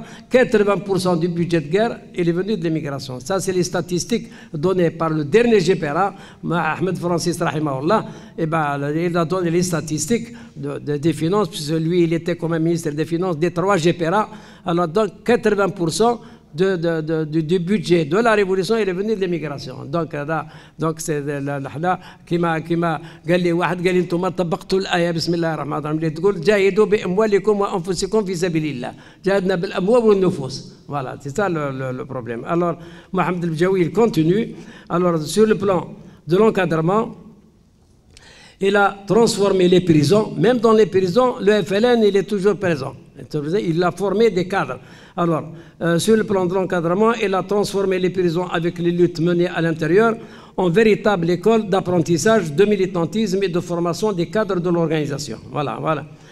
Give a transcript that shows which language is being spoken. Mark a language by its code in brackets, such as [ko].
[fr] 80% du budget de guerre, il est venu de l'immigration. Ça, c'est les statistiques données par le dernier GPRA, Ahmed Francis Rahimahullah. Eh bien, il a donné les statistiques des finances, puisque lui, il était quand même ministre des Finances des trois GPRA. Alors donc, 80% du budget de la révolution, il est venu de l'immigration. Donc c'est là qui m'a galé [ar] واحد قال انتم طبقتوا الايه بسم الله الرحمن الرحيم اللي تقول جاهدوا باموالكم وانفسكم في سبيل الله جاهدنا بالاموال والنفوس. [fr] Voilà, c'est ça le problème. Alors Mohamed El-Bjaoui continue. Alors sur le plan de l'encadrement, il a transformé les prisons. Même dans les prisons, le FLN, il est toujours présent. Il a formé des cadres. Alors, sur le plan de l'encadrement, il a transformé les prisons avec les luttes menées à l'intérieur en véritable école d'apprentissage, de militantisme et de formation des cadres de l'organisation. Voilà, voilà.